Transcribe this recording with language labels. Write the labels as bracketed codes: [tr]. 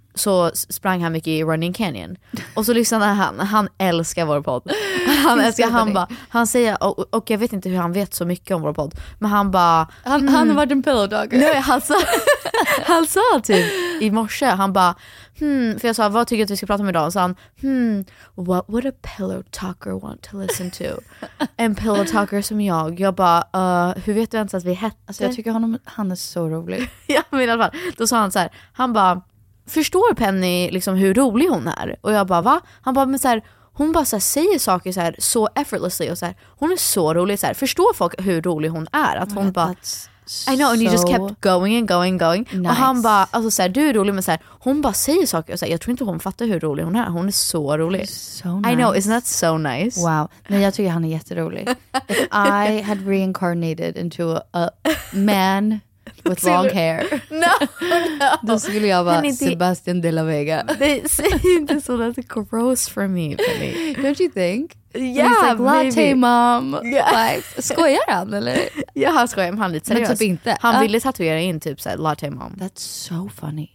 [sv] så sprang han mycket i Running Canyon. Och så lyssnade han. Han älskar vår podd. Han älskar, han bara, han säger, och jag vet inte hur han vet så mycket om vår podd, men han bara, han har varit en pillow dogger. Han sa typ i morse, han bara, för jag sa, vad tycker du att vi ska prata om idag? Och så han, [en] what would a pillow talker want to listen to? [sv] En pillow talker som jag. Jag bara, hur vet du ens att vi heter? Alltså jag tycker honom, han är så rolig. Ja, men i alla fall, då sa han så här, han bara, förstår Penny liksom hur rolig hon är? Och jag bara, va? Han bara, men så här, hon bara så här, säger saker så här, så effortlessly och så här, hon är så rolig så här, förstår folk hur rolig hon är? Att hon bara, [en] I know, and you just kept going and going and going. Nice. [sv] Och han bara, alltså så här, du är rolig, men så här, hon bara säger saker och så här, jag tror inte hon fattar hur rolig hon är. Hon är så rolig. [en] So nice. I know, isn't that so nice? Wow. [sv] Nej, jag tycker han är jätterolig. [en] If I had reincarnated into a man with long hair. No. [sv] Då skulle jag vara Sebastian de la Vega. Säg inte så, [en] that's gross for me, Penny. Don't you think? Yeah, he's like, latte Mom. Yeah. Like, [sv] skojar han eller? Ja, han skojar, men han är lite seriös. Men typ inte. Han ville tatuera in typ så här, latte mom. [en] That's so funny.